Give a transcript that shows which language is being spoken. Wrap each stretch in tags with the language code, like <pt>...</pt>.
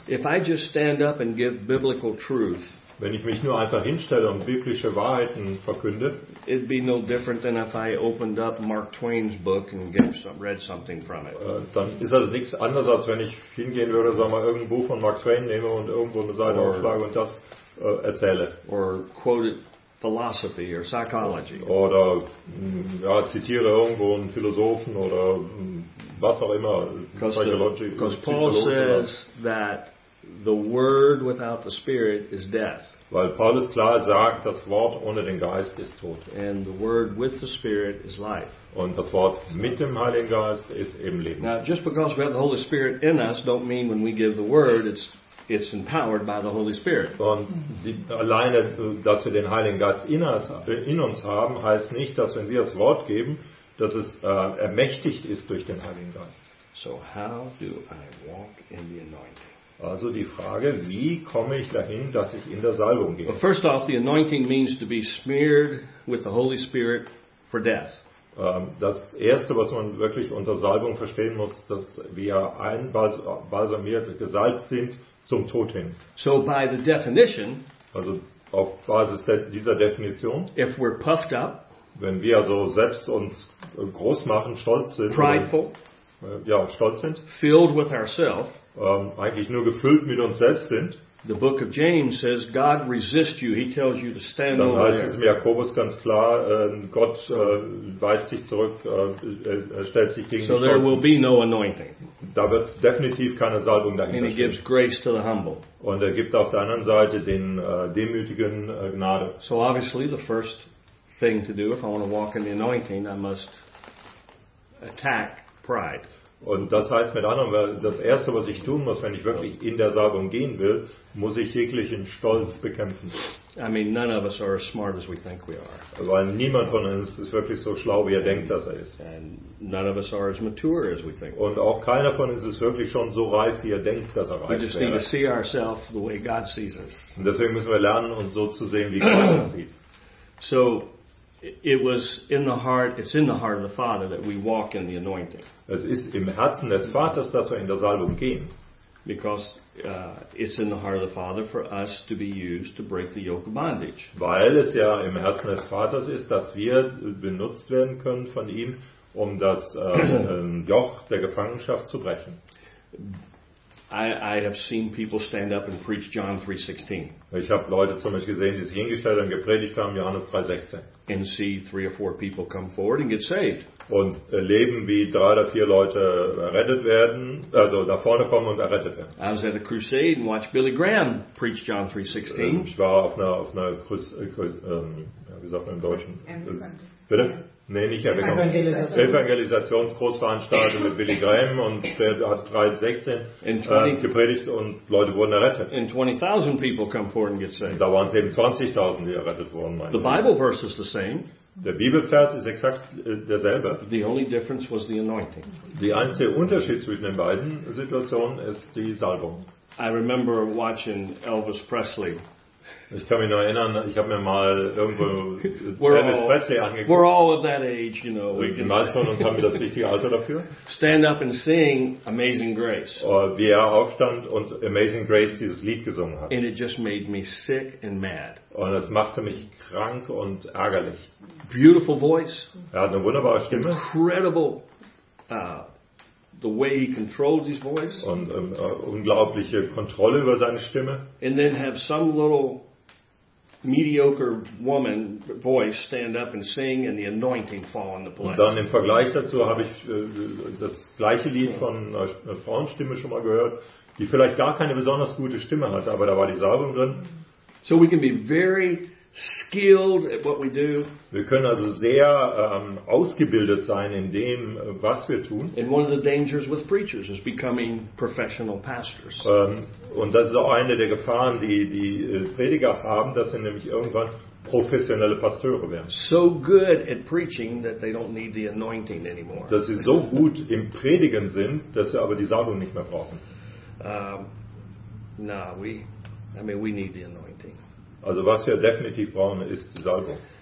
<en>If I just stand up and give biblical truth,</en> <de>wenn ich mich nur einfach hinstelle und biblische Wahrheiten verkünde,</de> <en>it'd be no different than if I opened up Mark Twain's book and read something from it.</en> <de>Dann ist das nichts anderes, als wenn ich hingehen würde, sagen wir, irgendein Buch von Mark Twain nehme und irgendwo eine Seite aufschlage und das erzähle.</de> <en>Or quote it. Philosophy or psychology.</en> <de>Oder ja, zitiere irgendwo einen Philosophen oder was auch immer.</de> <en>Because Paul says that the word without the spirit is death.</en> <de>Weil Paulus klar sagt, das Wort ohne den Geist ist tot.</de> <en>And the word with the spirit is life.</en> <de>Und das Wort mit dem Heiligen Geist ist eben Leben.</de> <en>Now, just because we have the Holy Spirit in us, don't mean when we give the word, it's empowered by the Holy Spirit.</en> <de>Und alleine, dass wir den Heiligen Geist in uns haben, heißt nicht, dass wenn wir das Wort geben, dass es ermächtigt ist durch den Heiligen Geist.</de> <en>So how do I walk in the anointing?</en> <de>Also die Frage, wie komme ich dahin, dass ich in der Salbung gehe?</de> <en>Well, first off, the anointing means to be smeared with the Holy Spirit for death.</en> <de>Das Erste, was man wirklich unter Salbung verstehen muss, dass wir einbalsamiert, gesalbt sind, zum Tod hin.</de> <en>So by the definition,</en> <de>also auf Basis dieser Definition,</de> <en>if we're puffed up,</en> <de>wenn wir also selbst uns groß machen, stolz sind,</de> <en>prideful,</en> <de>stolz sind,</de> <en>filled with ourselves,</en> <de>eigentlich nur gefüllt mit uns selbst sind,</de> <en>the book of James says God resists you. He tells you to stand over there.</en> <de>Dann heißt es im Jakobus ganz klar, Gott weist sich zurück, stellt sich gegen</de> <en>so</en> <de>den</de> <en>there will be no anointing.</en> <de>Da wird definitiv keine Salbung dahinter stehen.</de> <en>And he gives grace to the humble.</en> <de>Und gibt auf der anderen Seite den Demütigen Gnade.</de> <en>So obviously the first thing to do if I want to walk in the anointing, I must attack pride.</en> <de>Und das heißt mit anderen Worten, das Erste, was ich tun muss, wenn ich wirklich in der Salbung gehen will, muss ich jeglichen Stolz bekämpfen.</de> <en>I mean, none of us are as smart as we think we are.</en> <de>Weil niemand von uns ist wirklich so schlau, wie er denkt, dass er ist.</de> <en>And none of us are as mature as we think.</en> <de>Und auch keiner von uns ist wirklich schon so reif, wie er denkt, dass er reif wäre.</de> <en>We just need to see ourselves the way God sees us.</en> <de>Und deswegen müssen wir lernen, uns so zu sehen, wie Gott uns sieht.</de> <en>So, it was in the heart. It's in the heart of the Father that we walk in the anointing.</en> <de>Es ist im Herzen des Vaters, dass wir in der Salbung gehen.</de> <en>Because it's in the heart of the Father for us to be used to break the yoke of bondage.</en> <de>Weil es ja im Herzen des Vaters ist, dass wir benutzt werden können von ihm, um das Joch der Gefangenschaft zu brechen.</de> <en>I have seen people stand up and preach John 3:16.</en> <de>Ich habe Leute zum Beispiel gesehen, die sich hingestellt und gepredigt haben, Johannes 3:16.</de> <en>And see three or four people come forward and get saved.</en> <de>Und erleben, wie drei oder vier Leute errettet werden, also da vorne kommen und errettet werden.</de> <en>I was at a crusade and watched Billy Graham preach John 3:16.</en> <de>Ich war auf einer wie sagt man im Deutschen? Bitte? Nee, nicht Evangelisation. Evangelisationsgroßveranstaltung mit Billy Graham und der hat 3:16 gepredigt und Leute wurden errettet.</de> <en>And 20,000 people come forward and get saved.</en> <de>Da waren es eben 20,000, die errettet wurden.</de> <en>The Bible verse is the same.</en> <de>Der Bibelvers ist exakt derselbe.</de> <en>The only difference was the anointing.</en> <de>Der einzige Unterschied zwischen den beiden Situationen ist die Salbung.</de> <en>I remember watching Elvis Presley.</en> <de>Ich kann mich noch erinnern, ich habe mir mal irgendwo Elvis Presley angeguckt.</de> <en>We're all of that age, you know.</en> <de>Die meisten von uns haben das richtige Alter dafür.</de> <en>Stand up and sing Amazing Grace.</en> <de>Wie er aufstand und Amazing Grace dieses Lied gesungen hat.</de> <en>And it just made me sick and mad.</en> <de>Und es machte mich krank und ärgerlich.</de> <en>Beautiful voice.</en> <de>Er hat eine wunderbare Stimme.</de> <en>Incredible. The way he controls his voice.</en> <de>Und unglaubliche Kontrolle über seine Stimme.</de> <en>And then have some little mediocre woman voice stand up and sing and the anointing fall on the place.</en> <de>Und dann im Vergleich dazu habe ich das gleiche Lied von einer Frauenstimme schon mal gehört, die vielleicht gar keine besonders gute Stimme hatte, aber da war die Salbung drin.</de> <en>So we can be very skilled at what we do.</en> <de>Wir können also sehr ausgebildet sein in dem, was wir tun.</de> <en>And one of the dangers with preachers is becoming professional pastors.</en> <de>Und das ist auch eine der Gefahren, die die Prediger haben, dass sie nämlich irgendwann professionelle Pastöre werden.</de> <en>So good at preaching that they don't need the anointing anymore.</en> <de>Dass sie so gut im Predigen sind, dass sie aber die Salbung nicht mehr brauchen.</de> <en>We need the anointing.</en> <de>Also was wir definitiv brauchen, ist die Salbung.</de>